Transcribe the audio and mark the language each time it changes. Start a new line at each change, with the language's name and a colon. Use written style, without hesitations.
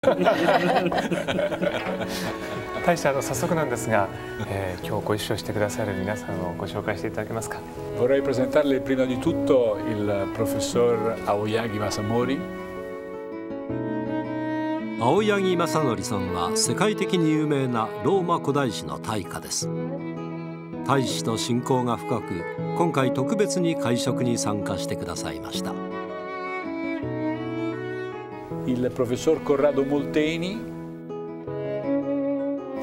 Japanese: 大使、早速なんですが、今日ご一緒してくださる皆さんをご紹介していただけますか。
Italian: Vorrei presentarle prima di tutto il professor Aoyagi Masanori。
Japanese: 青柳雅則さんは世界的に有名なローマ古代史の大家です。大使と親交が深く、今回特別に会食に参加してくださいました。
Italian: Il professor Corrado Molteni。